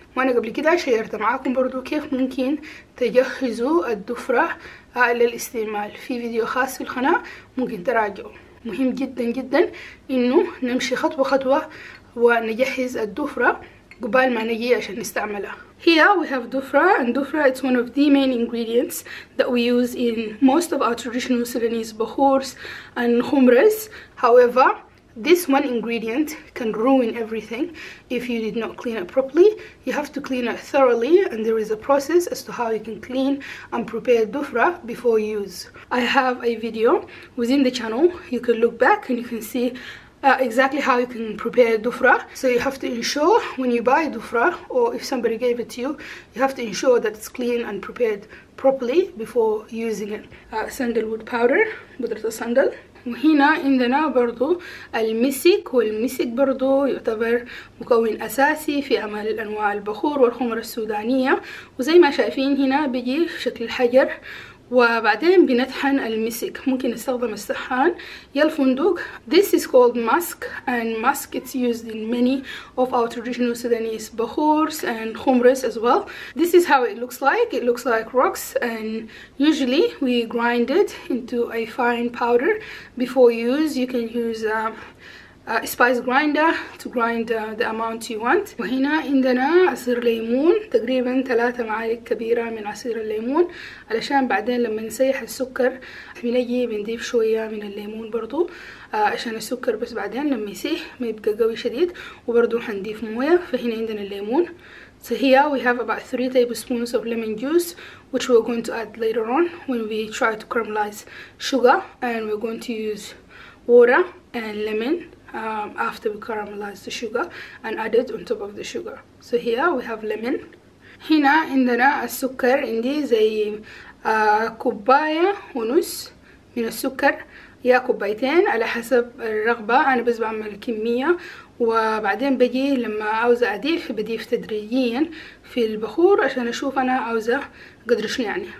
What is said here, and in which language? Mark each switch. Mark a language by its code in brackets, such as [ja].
[ar] وأنا قبل كده شيرت معاكم برضو كيف ممكن تجهزوا الدفرة للاستعمال في فيديو خاص في القناة، ممكن تراجعوا. مهم جدا جدا إنه نمشي خطوة خطوة ونجهز الدفرة قبال ما نجي عشان نستعملها. [en] Here we have dufra, and dufra it's one of the main ingredients that we use in most of our traditional Sudanese bakhours and khumras. However, this one ingredient can ruin everything if you did not clean it properly. You have to clean it thoroughly, and there is a process as to how you can clean and prepare dufra before use. I have a video within the channel. You can look back and you can see exactly how you can prepare dufra. So you have to ensure when you buy dufra, or if somebody gave it to you, you have to ensure that it's clean and prepared properly before using it. Sandalwood powder, [ar] بودرة الصندل. وهنا عندنا برضو المسك، والمسك برضو يعتبر مكون أساسي في عمل أنواع البخور والخمر السودانية. وزي ما شايفين هنا بيجي في شكل حجر، وبعدين بنطحن المسك. ممكن نستخدم السحان يا الفندق. [en] This is called musk, and musk it's used in many of our traditional Sudanese bakhours and khumras as well. This is how it looks like. It looks like rocks, and usually we grind it into a fine powder before use. You can use a spice grinder to grind the amount you want. [ar] وهنا عندنا عصير ليمون، تقريبا 3 معالق كبيرة من عصير الليمون، علشان بعدين لما نسيح السكر بنجي بنضيف شوية من الليمون برضو، عشان السكر بس بعدين لما يسيح ما يبقى قوي شديد، وبرضو حنضيف موية. فهنا عندنا الليمون. [en] So here we have about 3 tablespoons of lemon juice, which we're going to add later on when we try to caramelize sugar, and we're going to use water and lemon after we caramelize the sugar and add it on top of the sugar. So here we have lemon. [ar] هنا عندنا السكر، عندي زي كوباية ونص من السكر يا كوبايتين على حسب الرغبة. أنا بس بعمل كمية، وبعدين بجي لما عاوزة أضيف بضيف تدريجيا في البخور عشان أشوف أنا عاوزة قدر شو يعني.